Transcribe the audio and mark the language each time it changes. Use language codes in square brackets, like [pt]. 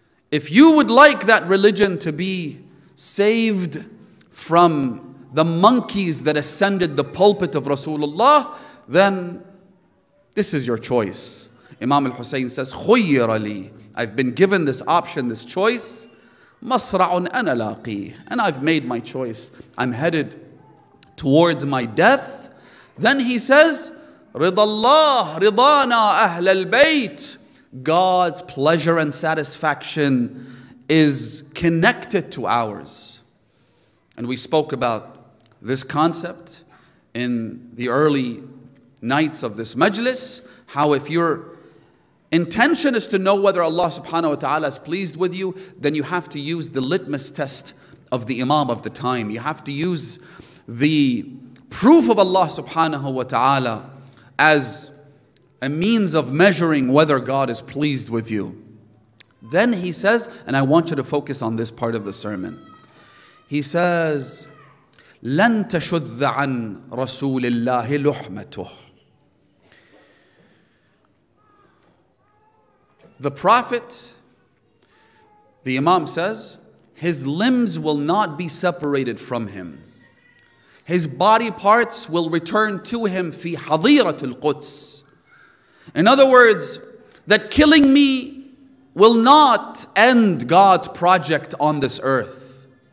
[en] If you would like that religion to be saved from the monkeys that ascended the pulpit of Rasulullah, then this is your choice. Imam al-Hussein says, [ar] خُيِّرَ لِي. [en] I've been given this option, this choice. [ar] مَصْرَعٌ أَنَا لَاقِي. [en] And I've made my choice. I'm headed towards my death. Then he says, [ar] رِضَ اللَّهُ رِضَانَا أَهْلَ الْبَيْتِ. [en] God's pleasure and satisfaction is connected to ours. And we spoke about this concept in the early nights of this majlis, how if your intention is to know whether Allah subhanahu wa ta'ala is pleased with you, then you have to use the litmus test of the imam of the time. You have to use the proof of Allah subhanahu wa ta'ala as a means of measuring whether God is pleased with you. Then he says, and I want you to focus on this part of the sermon. He says, [ar] لَن تَشُذَّ عَنْ رَسُولِ اللَّهِ لُحْمَتُهُ. [en] The Prophet, the Imam says, his limbs will not be separated from him. His body parts will return to him [ar] fi حَضِيرَةِ الْقُدْسِ. [en] In other words, that killing me will not end God's project on this earth.